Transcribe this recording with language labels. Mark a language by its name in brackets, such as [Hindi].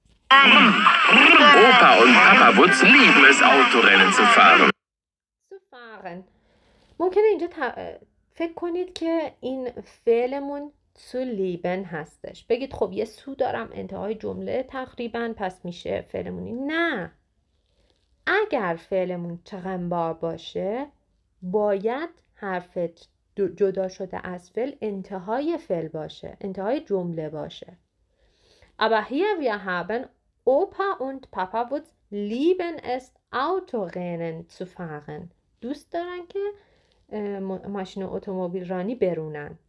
[German] Opa und Papa Wutz lieben es Autorennen zu fahren. Zu fahren. [Persian] ممکنه اینجا فکر کنید که این فعلمون zu lieben هستش. بگید خب یه سو دارم انتهای جمله تقریبا پس میشه فعلمونی. نه. اگر فعلمون تغنبار باشه باید حرف جدا شده از فعل انتهای فعل باشه. انتهای جمله باشه. [German] Aber hier wir haben Opa und Papa Wutz lieben es Autorennen zu fahren. [Persian] دوست دارن که ماشین اتومبیل رانی برونن.